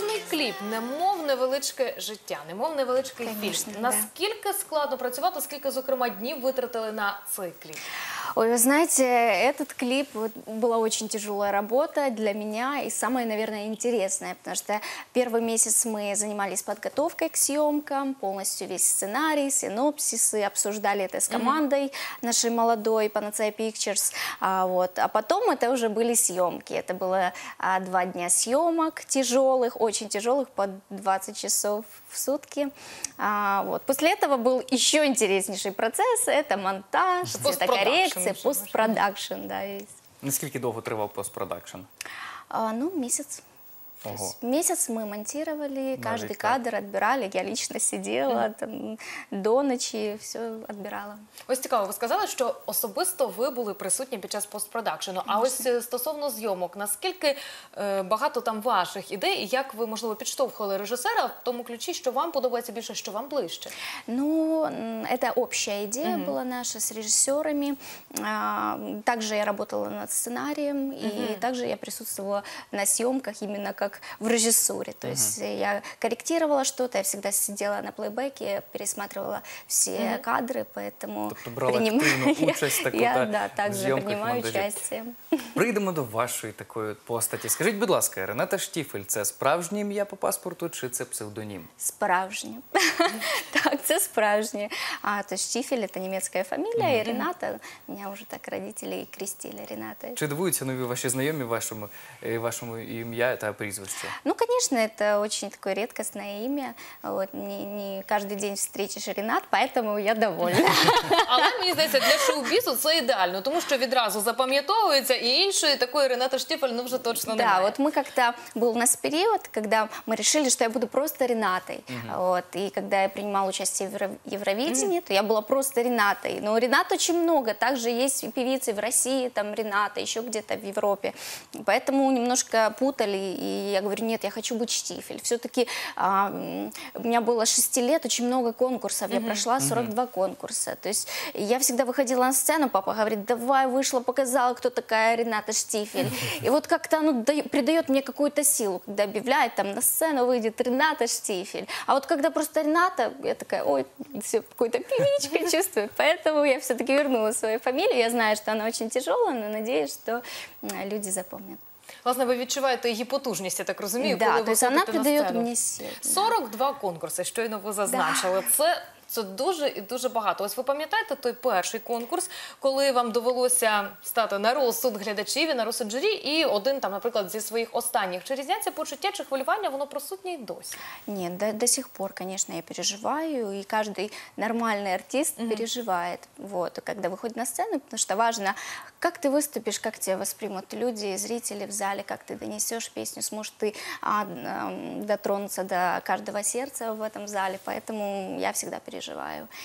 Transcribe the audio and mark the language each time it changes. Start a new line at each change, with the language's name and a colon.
Ukrainian: Кліп, немов невеличке життя, немов невеличкий фільм. Наскільки складно працювати, скільки, зокрема, днів витратили на цей кліп?
Russian: Ой, вы знаете, этот клип была очень тяжелая работа для меня и самая, наверное, интересная, потому что первый месяц мы занимались подготовкой к съемкам, полностью весь сценарий, синопсисы, обсуждали это с командой нашей молодой, Panacea Pictures, вот. А потом это уже были съемки, это было 2 дня съемок тяжелых, очень тяжелых, по 20 часов в сутки. Вот. После этого был еще интереснейший процесс, это монтаж, цветокоррекция, постпродакшн. Да,
Ukrainian: наскільки довго тривав постпродакшн? Ну, місяць. Місяць ми монтировали, кожен кадр відбирали, я лично сиділа там до ночі, все відбирала. Ось цікаво, ви сказали, що особисто ви були присутні під час постпродакшену, а ось стосовно зйомок, наскільки багато там ваших ідей, і як ви, можливо, підштовхували режисера в тому ключі, що вам подобається більше, що вам ближче? Ну, це обща ідея була наша з режисерами, також я працювала над сценарієм, і також я присутствувала на зйомках, іменно
Russian: как в режиссуре. То есть я корректировала что-то, я всегда сидела на плейбеке, пересматривала все кадры, поэтому...
Ukrainian: Тобто брала активну участь таку,
Russian: также принимаю участие.
Ukrainian: Прийдемо до вашої такої постаті. Скажіть, будь ласка, Рената Штіфель – це справжнє ім'я по паспорту чи це псевдонім? Справжнє. Так, це справжнє. А то Штіфель – це німецька фамілія, і Рената. Мене вже так родители крестили Ренатою. Чи дивуються нові ваші знайомі вашому ім'я та прізвищу? Ну, звісно, це дуже таке рідкісне ім'я. Не кожен день зустрічеш Ренат, тому я довольна. Але, мені здається, для шоу-бізу це ідеально, тому що відразу запам'ятовується.
Russian: И иншую, и такой Рената Штіфель, ну, уже точно да, вот мы как-то, был у нас период, когда мы решили, что я буду просто Ренатой. Вот, и когда я принимала участие в Евровидении, то я была просто Ренатой. Но Ренат очень много, также есть певицы в России, там Рената, еще где-то в Европе. Поэтому немножко путали, и я говорю, нет, я хочу быть Штіфель. Все-таки у меня было 6 лет, очень много конкурсов, я прошла 42 конкурса. То есть я всегда выходила на сцену, папа говорит, давай, вышла, показала, кто такая. Рената Штіфель. И вот как-то оно придает мне какую-то силу, когда объявляет, там, на сцену выйдет Рената Штіфель. А вот когда просто Рената, я такая, ой, все, какой-то певичка чувствую. Поэтому я все-таки вернула свою фамилию. Я знаю, что она очень тяжелая, но надеюсь, что люди запомнят.
Ukrainian: Власне, ви відчуваєте її потужність, я так розумію.
Russian: Да, то есть она придает мне силу.
Ukrainian: 42 конкурси, щойно ви зазначили. Да. Це дуже і дуже багато. Ось ви пам'ятаєте той перший конкурс, коли вам довелося стати на розсуд глядачів і на розсуд журі, і один, там, наприклад, зі своїх останніх. Чи різняться почуття чи хвилювання, воно присутнє й досі? Ні, до сих пор, звісно, я переживаю, і кожен нормальний артист переживає, коли виходить на сцену, тому що важливо,
Russian: как ты выступишь, как тебя воспримут люди, зрители в зале, как ты донесешь песню, сможешь ты дотронуться до каждого сердца в этом зале. Поэтому я всегда переживаю. переживаю.